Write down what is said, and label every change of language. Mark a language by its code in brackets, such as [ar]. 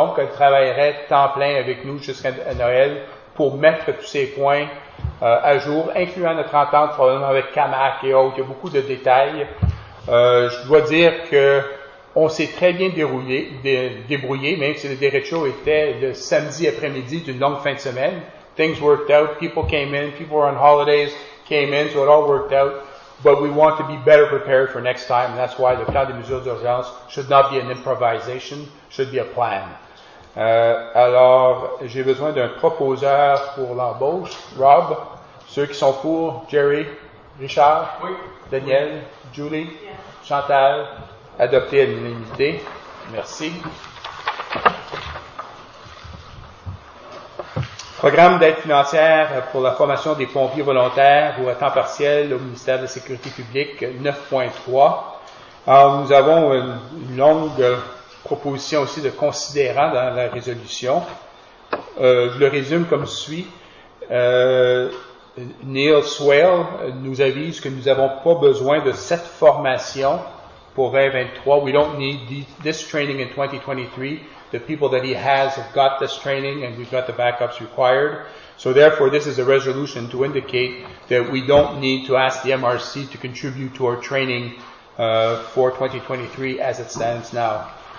[fr] Donc, elle travaillerait temps plein avec nous jusqu'à Noël pour mettre tous ces points à jour, incluant notre entente probablement avec CAMAC et autres. Il y a beaucoup de détails. Je dois dire que on s'est très bien débrouillé, même si le derecho était le samedi après-midi d'une longue fin de semaine. [en] Things worked out. People came in. People were on holidays. Came in. So it all worked out. But we want to be better prepared for next time. And that's why the plan [fr] des mesures d'urgence [en] should not be an improvisation. Should be a plan. [fr] Alors, j'ai besoin d'un proposeur pour l'embauche. Rob, ceux qui sont pour, Jerry, Richard, oui. Daniel, oui. Julie, [en] yeah. [fr] Chantal, adopté à l'unanimité. Merci. Programme d'aide financière pour la formation des pompiers volontaires ou à temps partiel au ministère de la Sécurité publique, 9.3. Alors, nous avons une longue... proposition aussi de considérant dans la résolution. Je le résume comme suit. Neil Swale nous avise que nous n'avons pas besoin de cette formation pour 2023. [en] We don't need this training in 2023. The people that he has have got this training and we've got the backups required. So therefore, this is a resolution to indicate that we don't need to ask the MRC to contribute to our training for 2023 as it stands now.